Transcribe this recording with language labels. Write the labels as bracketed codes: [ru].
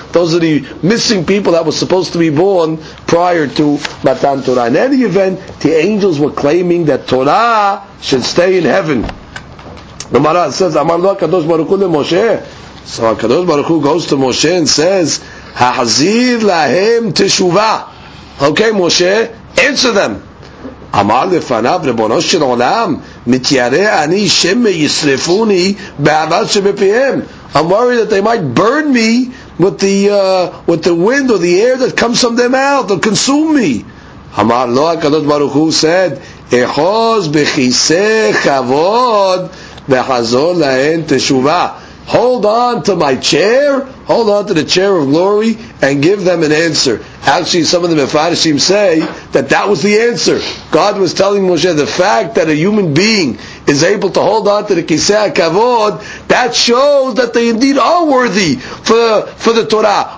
[en] Those are the missing people that were supposed to be born prior to Matan Torah. In any event, the angels were claiming that Torah should stay in heaven. The Gemara says, [he] Amar lo HaKadosh Baruch Hu LeMoshe. [en] So HaKadosh Baruch Hu goes to Moshe and says, [he] Ha'azir lahem teshuvah. [en] Okay, Moshe, answer them. [he] אמר לפניו ריבונו של עולם מתיירא אני שמא ישרפוני באבל שבפיהם. [en] I'm worried that they might burn me with the wind or the air that comes from their mouth or consume me. [he] אמר לו הקדוש ברוך הוא [en] said, [he] אחוז בכיסא כבוד וחזור להן תשובה. [en] Hold on to my chair, hold on to the chair of glory, and give them an answer. Actually, some of the Mefarshim say that that was the answer. God was telling Moshe, the fact that a human being is able to hold on to the Kiseh HaKavod, that shows that they indeed are worthy for the Torah.